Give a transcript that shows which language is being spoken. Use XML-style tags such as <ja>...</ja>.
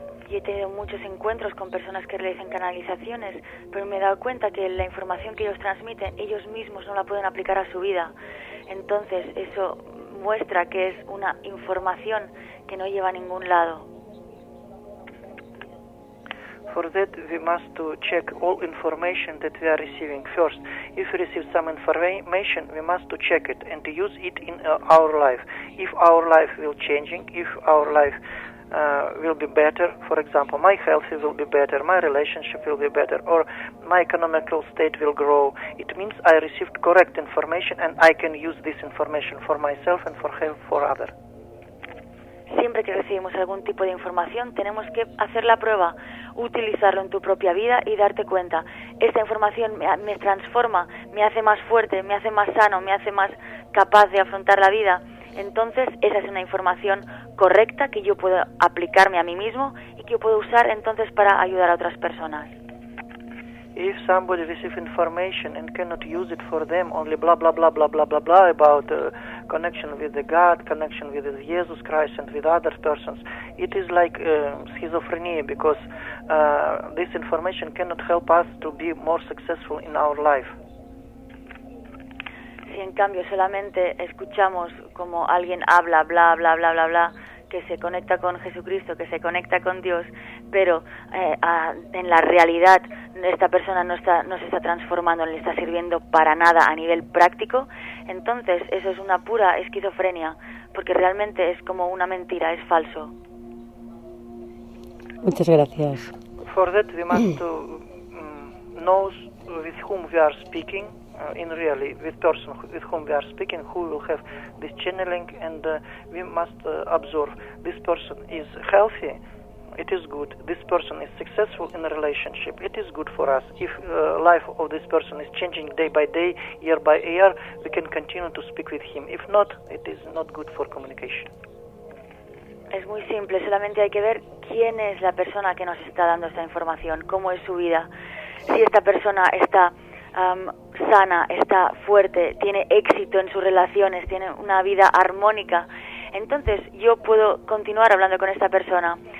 <es>Y he tenido muchos encuentros con personas que realizan canalizaciones, pero me he dado cuenta que la información que ellos transmiten, ellos mismos no la pueden aplicar a su vida. Entonces, eso muestra que es una información que no lleva a ningún lado.</es> <en>For that we must to check all information that we are receiving first. If we receive some information, we must to check it and to use it in our life. If our life will changing, if our life will be better, for example, my health will be better, my relationship will be better, or my economical state will grow. It means I received correct information and I can use this information for myself and for help for others.</en> <es>Siempre que recibimos algún tipo de información, tenemos que hacer la prueba, utilizarlo en tu propia vida y darte cuenta. Esta información me transforma, me hace más fuerte, me hace más sano, me hace más capaz de afrontar la vida. Entonces, esa es una información correcta que yo puedo aplicarme a mí mismo y que yo puedo usar entonces para ayudar a otras personas.</es> <en>If somebody receives information and cannot use it for them, only blah, blah, blah, blah, blah, blah, blah about connection with the God, connection with Jesus Christ and with other persons, it is like schizophrenia, because this information cannot help us to be more successful in our life.</en> <es>Si en cambio solamente escuchamos como alguien habla, bla, bla, bla, bla, bla, que se conecta con Jesucristo, que se conecta con Dios, pero en la realidad esta persona no se está transformando, no le está sirviendo para nada a nivel práctico, entonces eso es una pura esquizofrenia, porque realmente es como una mentira, es falso. Muchas gracias.</es> <en>For that we must to know with whom we are speaking. In reality, with person with whom we are speaking, who will have this channeling, and we must observe this person is healthy, it is good. This person is successful in a relationship. It is good for us. If life of this person is changing day by day, year by year, we can continue to speak with him. If not, it is not good for communication.</en> <es>Es muy simple. Solamente hay que ver quién es la persona que nos está dando esta información, cómo es su vida. Si esta persona está sana, está fuerte, tiene éxito en sus relaciones, tiene una vida armónica, entonces yo puedo continuar hablando con esta persona.</es>